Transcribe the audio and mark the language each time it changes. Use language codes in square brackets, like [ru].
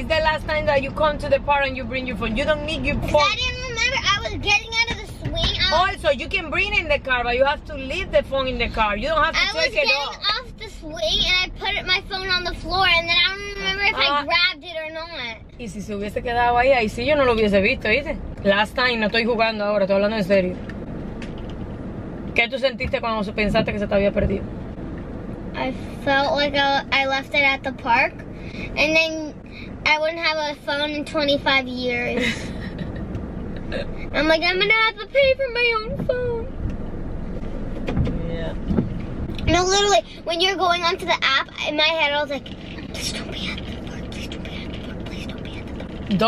[en] It's the last time that you come to the park and you bring your phone. You don't need your phone. I didn't remember. I was getting out of the swing. Also, you can bring it in the car, but you have to leave the phone in the car. You don't have to take it off. I was getting off the swing and I put my phone on the floor and then I don't remember if I grabbed it or not. [es] Y si se hubiese quedado ahí, ahí sí yo no lo hubiese visto, ¿viste? [en] Last time, [es] no estoy jugando ahora, estoy hablando en serio. ¿Qué tú sentiste cuando pensaste que se te había perdido? [en] I felt like I left it at the park, and then I wouldn't have a phone in 25 years. I'm like, I'm gonna have to pay for my own phone. Yeah. No, literally, when you're going onto the app, in my head, I was like, please don't be at the park, please don't be at the park, please don't be at the park.